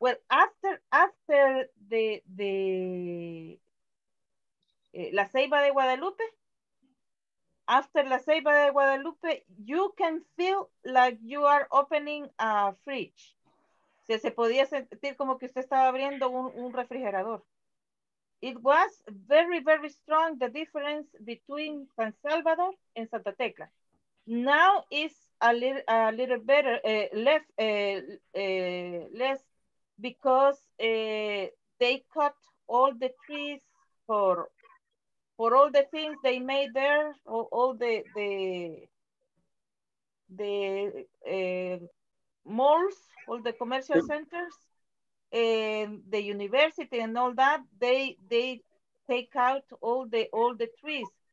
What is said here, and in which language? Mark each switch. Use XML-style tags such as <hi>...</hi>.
<en>after the La Ceiba de Guadalupe, after La Ceiba de Guadalupe, you can feel like you are opening a fridge.</en> <es>Se podía sentir como que usted estaba abriendo un refrigerador.</es> <en>It was very, very strong, the difference between San Salvador and Santa Tecla. Now it's a little better, less, because they cut all the trees for all the things they made there, all the malls, all the commercial centers, and the university and all that, they take out all the trees.</en>